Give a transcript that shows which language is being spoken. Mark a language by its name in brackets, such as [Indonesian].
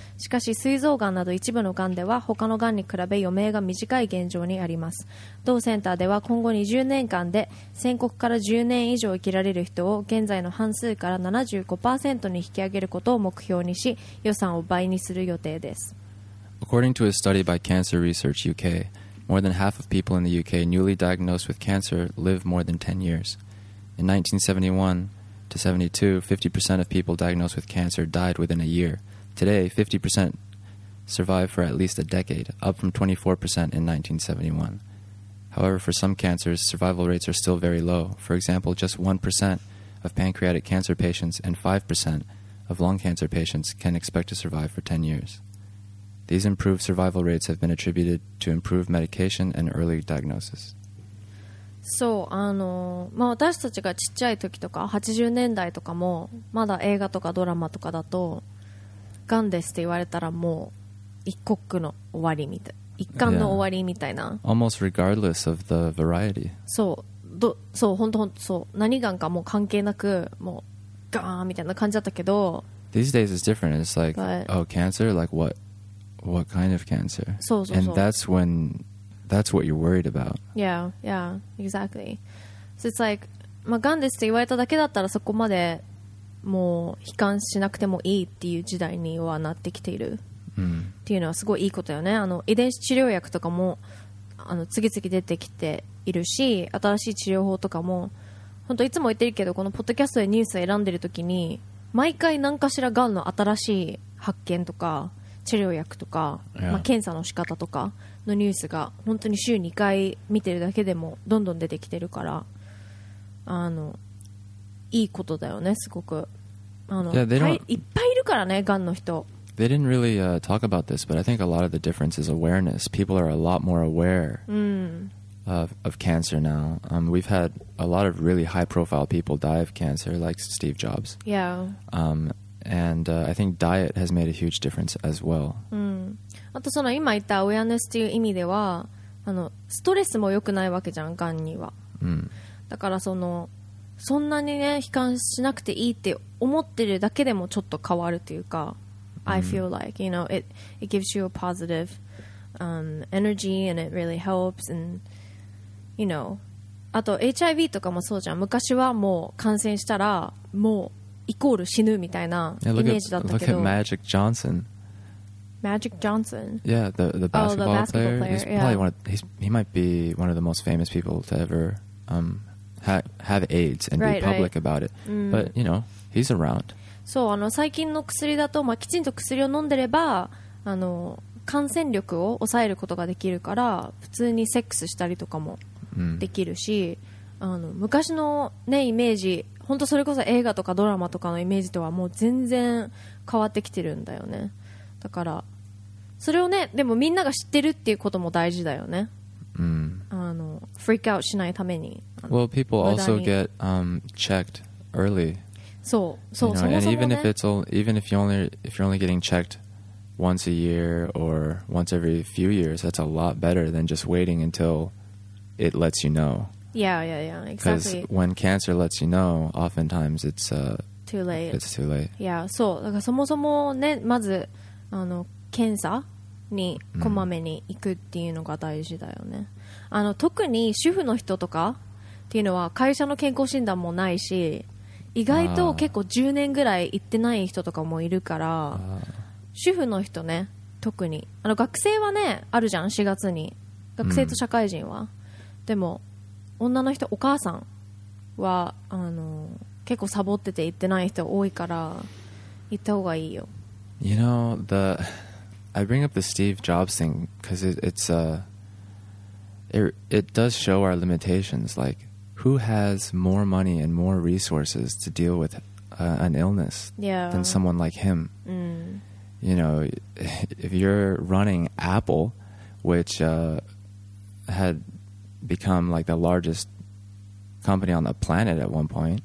[Japanese] しかし膵臓がんなど一部のがんでは他のがんに比べ余命が短い現状にあります。同センターでは今後20年間で宣告から10年以上生きられる人を現在の半数から 75% に引き上げることを目標にし、予算を倍にする予定です。 [English] According to a study by Cancer Research UK, more than half of people in the UK newly diagnosed with cancer live more than 10 years. In 1971 to 72, 50% of people diagnosed with cancer died within a year. Today, 50% survive for at least a decade, up from 24% in 1971. However, for some cancers, survival rates are still very low. For example, just 1% of pancreatic cancer patients and 5% of lung cancer patients can expect to survive for 10 years. These improved survival rates have been attributed to improved medication and early diagnosis. [Japanese] そう、まあ、私たちがちっちゃい時とか80年代とかもまだ映画とかドラマとかだと、がんですって言われたらもう一刻の終わりみたい、一巻の終わりみたいな。 [English] Yeah. Almost regardless of the variety. [Japanese] そう、そう、本当そう、何がんかもう関係なく、もうガーンみたいな感じだったけど。 [English] These days it's different. It's like, but, oh, cancer? Like what? What kind of cancer? [Japanese] そうそうそう。 [English] And that's when, that's what you're worried about. Yeah, yeah, exactly. So it's like, [Japanese] まあ、がんですって言われただけだったらそこまでもう悲観しなくてもいいっていう時代にはなってきている。っていうのはすごいいいことよね。遺伝子治療薬とかも次々出てきているし、新しい治療法とかも本当いつも言ってるけど、このポッドキャストでニュースを選んでるときに毎回何かしらがんの新しい発見とか治療薬とか、まあ、検査の仕方とかのニュースが本当に週2回見てるだけでもどんどん出てきてるから、いいことだよね、すごく。いっぱいいるからね、がんの人。 [English] They didn't really talk about this, but I think a lot of the difference is awareness. People are a lot more aware of cancer now. We've had a lot of really high-profile people die of cancer, like Steve Jobs. Yeah. I think diet has made a huge difference as well. [Japanese] あとその今言ったアウェアネスという意味では、ストレスも良くないわけじゃん、がんには。だからそんなにね、悲観しなくていいって思ってるだけでもちょっと変わるというか、 [English] I feel like, you know, [Japanese] it gives you a positive energy and it really helps and, you know, あと HIV とかもそうじゃん。昔はもう感染したらもうイコール死ぬみたいなイメージだったけど。 [English] Yeah, look at Magic Johnson. Magic Johnson? Yeah, the basketball, oh, the basketball player. He's probably one of, he might be one of the most famous people to ever have AIDS and right, be public right. about it. But, you know, he's around. [Japanese] そう、最近の薬だと、まあ、きちんと薬を飲んでれば感染力を抑えることができるから、普通にセックスしたりとかもできるし、昔の、ね、イメージ、本当それこそ映画とかドラマとかのイメージとはもう全然変わってきてるんだよね。だからそれをね、でもみんなが知ってるっていうことも大事だよね。フリークアウトしないために。 [English] Well, people also get checked early [Japanese] そう、そう、 [English] you know, [Japanese] そもそもね、 [English] and even if it's all, even if you're only, if you're only getting checked once a year or once every few years, that's a lot better than just waiting until it lets you know. Yeah, yeah, yeah, exactly. Because when cancer lets you know, oftentimes it's too late. It's too late. Yeah, [Japanese] そう、だからそもそもね、まず検査にこまめに行くっていうのが大事だよね。特に主婦の人とかっていうのは会社の健康診断もないし、意外と結構10年ぐらい行ってない人とかもいるから、主婦の人ね、特に学生はね、あるじゃん、4月に学生と社会人は、でも女の人、お母さんは結構サボってて行ってない人多いから行った方がいいよ。 [English] You know, the I bring up the Steve Jobs thing because it does show our limitations. Like, who has more money and more resources to deal with an illness than someone like him? Mm. You know, if you're running Apple, which had become like the largest company on the planet at one point.